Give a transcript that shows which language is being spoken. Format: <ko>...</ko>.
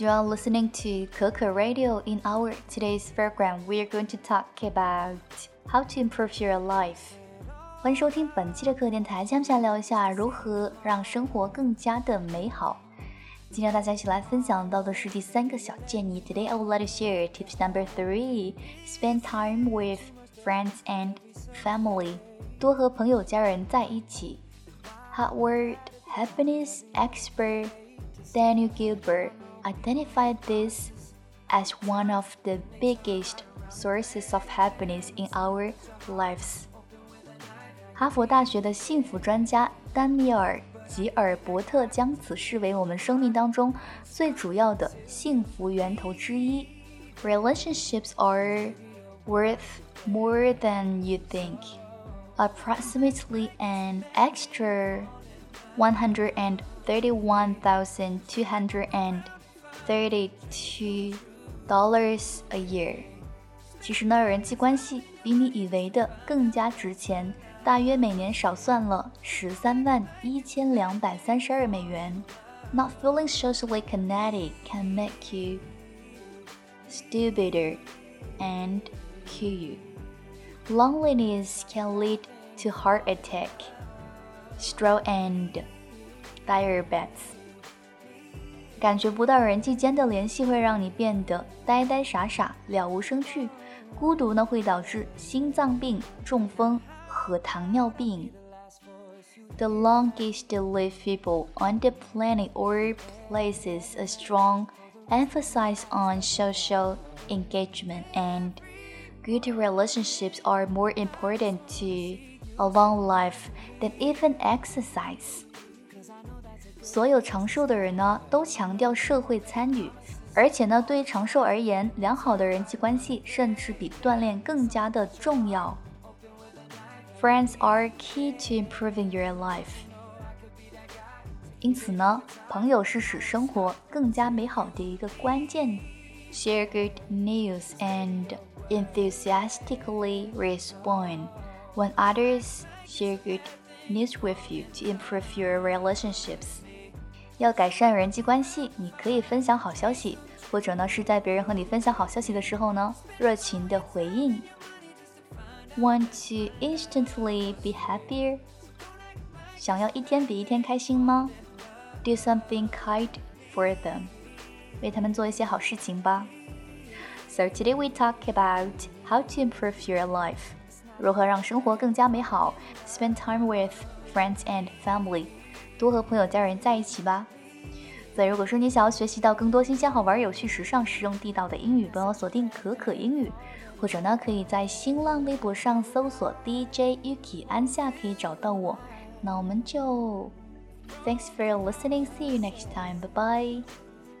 <en>You are listening to Coco Radio. In our today's program, we are going to talk about how to improve your life.</en> <zh>欢迎收听本期的Coco电台，接下来聊一下如何让生活更加的美好。今天大家一起来分享到的是第三个小建议。</zh> <en>Today, I would like to share tips number three. Spend time with friends and family.</en> <zh>多和朋友家人在一起。</zh> <en>Hot word, happiness expert. Daniel Gilbert identified this as one of the biggest sources of happiness in our lives.</en> <zh>哈佛大学的幸福专家丹尼尔·吉尔伯特将此视为我们生命当中最主要的幸福源头之一。</zh> <en>Relationships are worth more than you think. Approximately an extra 131,232 dollars a year.</en> <zh>其实呢，人际关系比你以为的更加值钱，大约每年少算了131,232美元。</zh> <en>Not feeling socially connected can make you stupider and kill you. Loneliness can lead to heart attack, stroke and. Diabetes.</en> <zh>感觉不到人际间的联系会让你变得呆呆傻傻了无生趣，孤独呢会导致心脏病、中风和糖尿病。</zh> <en>The longest lived people on the planet all places a strong emphasis on social engagement and good relationships are more important to a long life than even exercise.</en> <zh>所有长寿的人呢都强调社会参与，而且呢对于长寿而言，良好的人际关系甚至比锻炼更加的重要。</zh> <en>Friends are key to improving your life.</en> <zh>因此呢，朋友是使生活更加美好的一个关键。</zh> <en>Share good news and enthusiastically respond when others share good news with you to improve your relationships.</en> <zh>要改善人际关系，你可以分享好消息，或者呢是在别人和你分享好消息的时候呢热情的回应。</zh> <en>Want to instantly be happier?</en> <zh>想要一天比一天开心吗？</zh> <en>Do something kind for them.</en> <zh>为他们做一些好事情吧。</zh> <en>So today we talk about how to improve your life.</en> <zh>如何让生活更加美好。</zh> <en>Spend time with friends and family.</en> <zh>多和朋友家人在一起吧。所以如果说你想要学习到更多新鲜好玩有趣时尚实用地道的英语，帮我锁定可可英语，或者呢可以在新浪微博上搜索 DJ Yuki 安夏可以找到我。那我们就</zh> <en>Thanks for listening, see you next time, bye bye.</en>